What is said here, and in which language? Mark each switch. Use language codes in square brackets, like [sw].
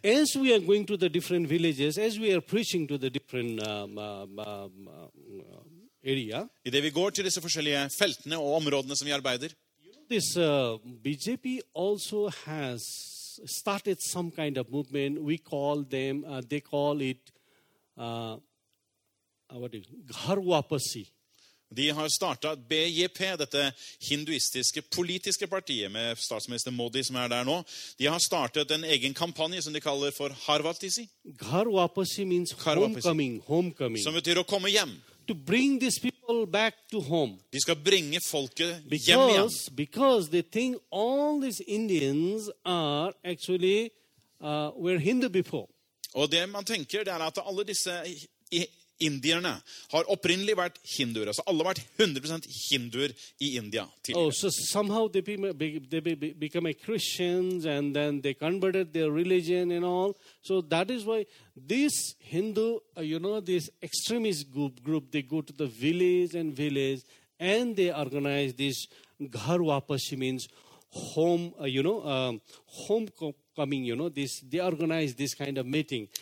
[en] As we are going to the different villages, as we are preaching to the different area. [no] I det vi går til disse forskjellige feltene og områdene som vi arbeider. [en] This BJP also has started some kind of movement. We call them, they call it, what is it? [hi] Ghar Wapasi. [no] De har startet BJP, dette hinduistiske politiske partiet med statsminister Modi som der nå. De har startet en egen kampanje som de kaller for Harvatisi. [en] Ghar Wapasi means homecoming, homecoming. [no] Som betyr å komme hjem. [en] To bring these people back to home. [no] De skal bringe folket hjem igjen. [en] Because they think all these Indians are actually were Hindu before. [no] Og det man tenker at alle disse indierne har opprinnelig vært hinduer, altså alle vært 100% hinduer I India tidligere. [en] Oh, so somehow they become a Christians and then they converted their religion and all. So that is why this Hindu, you know, this extremist group, they go to the village and they organize this Ghar Wapasi means home, homecoming, you know, this they organize this kind of meeting.